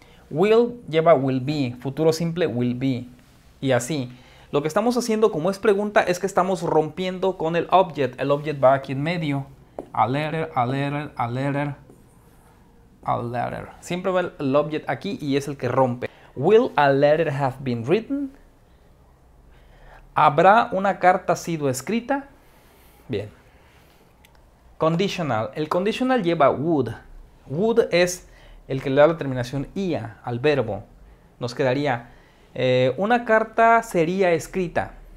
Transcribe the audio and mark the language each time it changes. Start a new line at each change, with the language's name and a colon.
Spanish: Will lleva will be. Futuro simple will be. Y así. Lo que estamos haciendo como es pregunta es que estamos rompiendo con el object.
English: El object va aquí en medio. A letter, a letter, a letter. A letter.
Spanish: Siempre va el object aquí y es el que rompe.
English: Will a letter have been written?
Spanish: ¿Habrá una carta sido escrita? Bien. Conditional. El conditional lleva would. Would es el que le da la terminación ia al verbo. Nos quedaría una carta sería escrita.